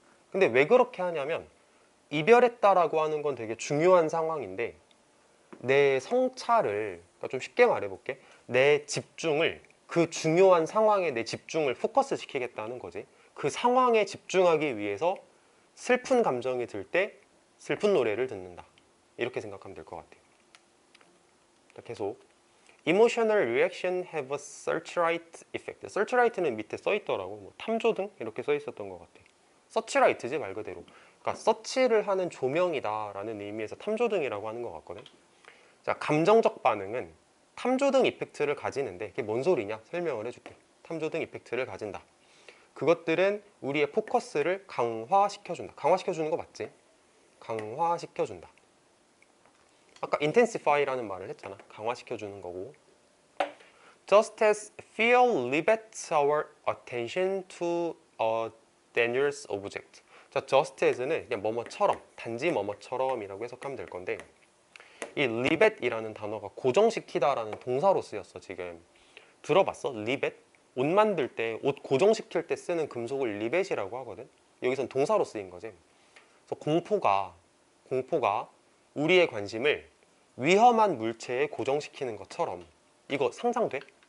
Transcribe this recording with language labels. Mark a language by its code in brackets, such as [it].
[ko] 근데 왜 그렇게 하냐면, 이별했다라고 하는 건 되게 중요한 상황인데, 내 성찰을, 그러니까 좀 쉽게 말해볼게. 내 집중을, 그 중요한 상황에 내 집중을 포커스 시키겠다는 거지. 그 상황에 집중하기 위해서 슬픈 감정이 들때 슬픈 노래를 듣는다. 이렇게 생각하면 될것 같아요. 계속 [en] emotional reaction have a searchlight effect. [ko] searchlight는 밑에 써 있더라고. 뭐 탐조등 이렇게 써 있었던 것 같아. searchlight지 말 그대로. 그러니까 서치를 하는 조명이다라는 의미에서 탐조등이라고 하는 것 같거든. 자, 감정적 반응은 탐조등 이펙트를 가지는데, 그게 뭔 소리냐? 설명을 해줄게. 탐조등 이펙트를 가진다. 그것들은 우리의 포커스를 강화시켜 준다. 강화시켜 주는 거 맞지? 강화시켜 준다. 아까 intensify라는 말을 했잖아. 강화시켜 주는 거고. [en] Just as Phil rivets our attention to a dangerous object. [ko] 자, just as는 그냥 뭐뭐처럼, 단지 뭐뭐처럼이라고 해석하면 될 건데 이 rivet이라는 단어가 고정시키다라는 동사로 쓰였어, 지금. 들어봤어? rivet? 옷 만들 때, 옷 고정시킬 때 쓰는 금속을 rivet이라고 하거든? 여기선 동사로 쓰인 거지. 그래서 공포가 우리의 관심을 위험한 물체에 고정시키는 것처럼. 이거 상상돼?